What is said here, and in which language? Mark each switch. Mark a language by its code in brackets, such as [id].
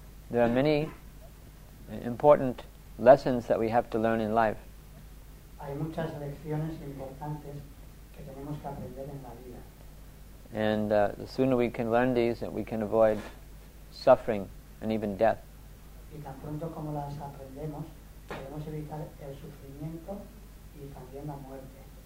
[en] There are many important lessons that we have to learn in life. [es] Hay muchas lecciones importantes que tenemos que aprender en la vida. [en] And the sooner we can learn these, we can avoid suffering and even death. [es] Y tan pronto como las aprendemos, podemos evitar el sufrimiento y también la muerte.